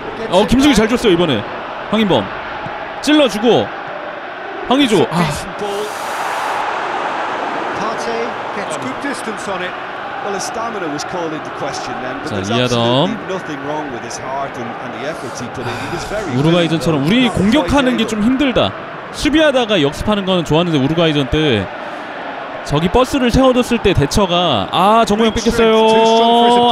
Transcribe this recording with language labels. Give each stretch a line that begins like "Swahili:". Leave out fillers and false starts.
Korean: 어 김승기 잘 줬어요 이번에. 황인범 찔러주고 황의조. 아.
English: Ate gets good distance on it. Well, his stamina was called into question then, but
Korean: 자,
English: there's absolutely nothing wrong with his heart and the effort he put in. He was very.
Korean: 우루과이전처럼 우리 공격하는 게 좀 힘들다. 수비하다가 역습하는 거는 좋았는데 우루과이전 때 저기 버스를 세워뒀을 때 대처가 아 정우영 뺏겼어요.